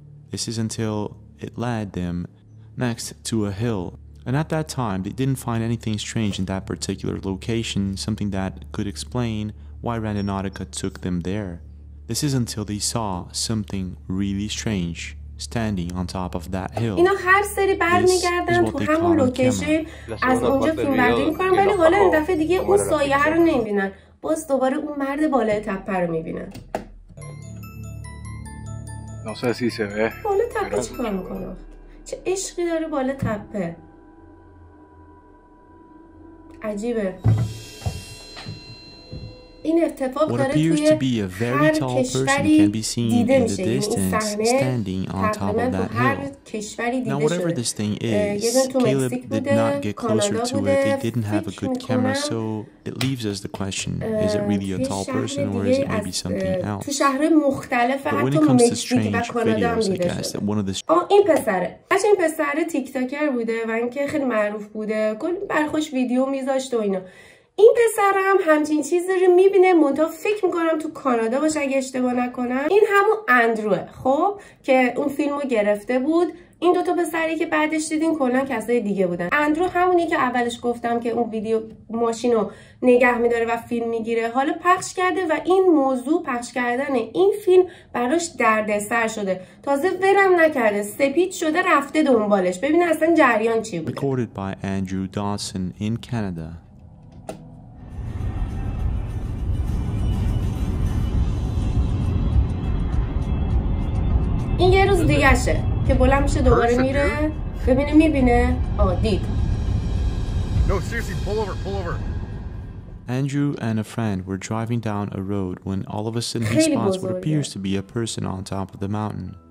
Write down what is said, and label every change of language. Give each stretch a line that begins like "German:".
English: This is until it led them next to a hill. And at that time, they didn't find anything strange in that particular location, something that could explain why Randonautica took them there. This is until they saw something really strange standing on top of that hill.
Persian: اینا هر سری برمیگردن تو همون لوکیشن از اونجا فیلم برداری میکنن ولی حالا این دفعه دیگه اون سایه رو نمیبینن. باز دوباره اون مرد بالای تپه رو میبینن.
Spanish: No sé si se ve.
Persian: بالا تپه چیکار میکنه؟ چه عشقی داره بالا تپه؟ عجیبه. این اتفاق داره توی هر کشوری دیده میشه. این صحنه تقریبا تو هر کشوری دیده شده. یه دن تو مکزیک بوده، کانادا بوده، فکر میکنم. توی شهر کانادا بوده،
English: so it leaves us the question, is it really a tall person or is it maybe something else?
Persian: تو شهر مختلف حتی مکزیک و کانادا هم دیده شده. این پسره. بچه این پسره تیک‌تاکر بوده و اینکه خیلی معروف بوده. کلی برخوش ویدیو میذاشت و اینا. این پسر هم همچین چیز رو میبینه منتها فکر میکنم تو کانادا باشه اگه اشتباه نکنم. این همون اندروه خب که اون فیلم رو گرفته بود. این دوتا پسری که بعدش دیدین کلان کسای دیگه بودن. اندرو همونی که اولش گفتم که اون ویدیو ماشین رو نگه میداره و فیلم میگیره حالا پخش کرده و این موضوع پخش کردن این فیلم براش دردسر شده. تازه ورم نکرده سپید شده رفته دنبالش ببینه اصلا جریان چی بوده. این یه روز دیگه شه که بلند میشه دوباره میره ببینه میبینه آه دید.
English: No, seriously, pull over. Andrew and a friend were driving down a road when all of a sudden he spots what appears to be a person on top of the mountain.